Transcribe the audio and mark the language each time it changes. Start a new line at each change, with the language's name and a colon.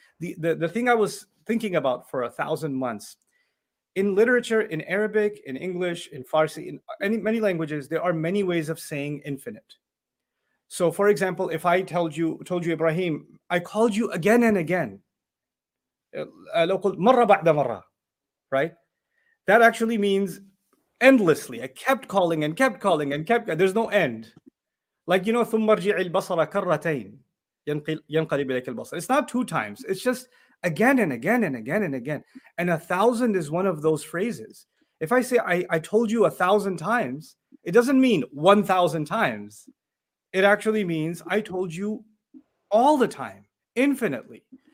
English: The thing I was thinking about for 1,000 months, in literature, in Arabic, in English, in Farsi, in many languages, there are many ways of saying infinite. So for example, if I told you Ibrahim, I called you again and again.
Arabic: مرة بعد مرة,
English: right? That actually means endlessly. I kept calling and kept calling and kept. There's no end. Like, you know,
Arabic: ثُمَّ رْجِعِ الْبَصَرَ كَرَّتَيْن يَنْقَلِبْ إِلَيْكَ الْبَصَرَ.
English: It's not two times. It's just again and again and again and again. And a thousand is one of those phrases. If I say, I told you 1,000 times, it doesn't mean 1,000 times. It actually means I told you all the time, infinitely.